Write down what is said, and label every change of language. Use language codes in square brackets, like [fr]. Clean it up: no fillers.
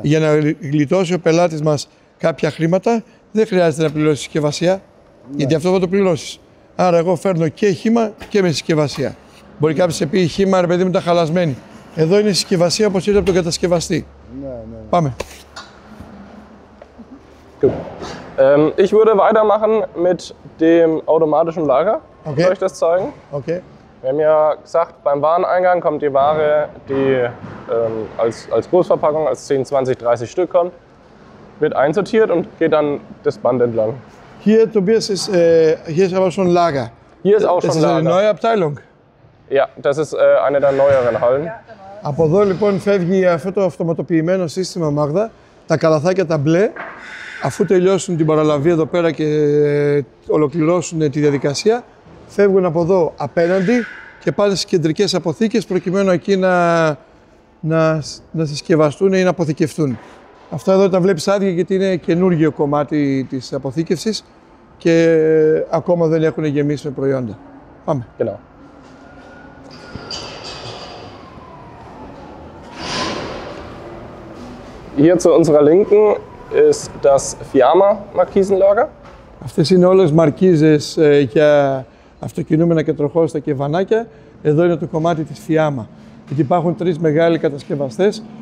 [el] Για να γλιτώσει ο πελάτης μας κάποια χρήματα, δεν χρειάζεται να πληρώσει συσκευασία. Ναι. Γιατί αυτό θα το πληρώσεις. Άρα εγώ φέρνω και χήμα και με συσκευασία. Μπορεί κάποιος να πει χήμα, ρε παιδί μου, τα χαλασμένη. Εδώ είναι η συσκευασία όπως είναι από τον κατασκευαστή. Ναι. Πάμε. [en] Good. [de] Ich würde weitermachen mit dem automatischen Lager. Okay. Soll ich das zeigen? Okay. Wir haben ja gesagt, beim Wareneingang kommt die Ware, die als Großverpackung, als 10, 20, 30 Stück kommt, wird einsortiert und geht dann das Band entlang. Hier, Tobias, ist, hier ist aber schon Lager. Hier ist auch schon Lager. Das ist eine neue Abteilung. Ja, das ist eine der neueren Hallen. [el] Από εδώ λοιπόν φεύγει αυτό το αυτοματοποιημένο σύστημα, Μάγδα, τα καλαθάκια τα μπλε. Αφού τελειώσουν την παραλαβή εδώ πέρα και ολοκληρώσουν τη διαδικασία, φεύγουν από εδώ απέναντι και πάνε στις κεντρικές αποθήκες προκειμένου εκεί να συσκευαστούν ή να αποθηκευτούν. Αυτά εδώ τα βλέπεις άδεια γιατί είναι καινούργιο κομμάτι της αποθήκευσης και ακόμα δεν έχουν γεμίσει με προϊόντα. Πάμε. [de] Genau. Hier zu unserer Linken ist das Fiamma Markisenlager. [el] Αυτές είναι όλες μαρκίζες για αυτοκινούμενα και τροχόστα και βανάκια. Εδώ είναι το κομμάτι της Fiamma. Γιατί υπάρχουν τρεις μεγάλοι κατασκευαστές.